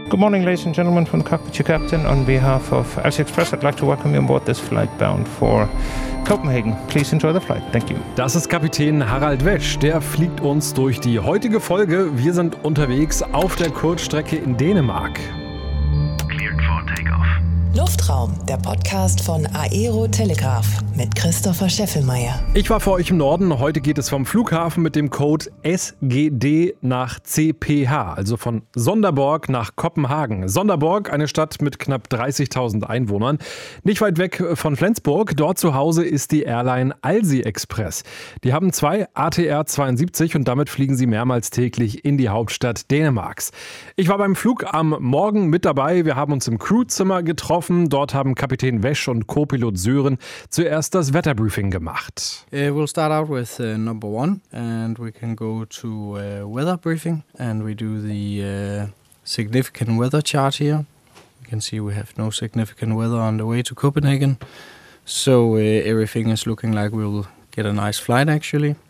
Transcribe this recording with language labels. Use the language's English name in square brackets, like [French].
[English] Good morning, ladies and gentlemen, from the cockpit, your captain. On behalf of Alsie Express, I'd like to welcome you aboard this flight bound for Copenhagen. Please enjoy the flight. Thank you. [German] Das ist Kapitän Harald Wesch. Der fliegt uns durch die heutige Folge. Wir sind unterwegs auf der Kurzstrecke in Dänemark. [English] Cleared for takeoff. [German] Luftraum, der Podcast von Aero Telegraph mit Christopher Scheffelmeier. Ich war für euch im Norden. Heute geht es vom Flughafen mit dem Code SGD nach CPH, also von Sonderborg nach Kopenhagen. Sonderborg, eine Stadt mit knapp 30.000 Einwohnern. Nicht weit weg von Flensburg, dort zu Hause ist die Airline Alsie Express. Die haben zwei ATR 72 und damit fliegen sie mehrmals täglich in die Hauptstadt Dänemarks. Ich war beim Flug am Morgen mit dabei. Wir haben uns im Crewzimmer getroffen. Dort haben Kapitän Wesch und Co-Pilot Sören zuerst das Wetterbriefing gemacht. [English] We'll start out with number one and we can go to weather briefing and we do the significant weather chart here. You can see we have no significant weather on the way to Copenhagen. So everything is looking like we'll get a nice flight actually.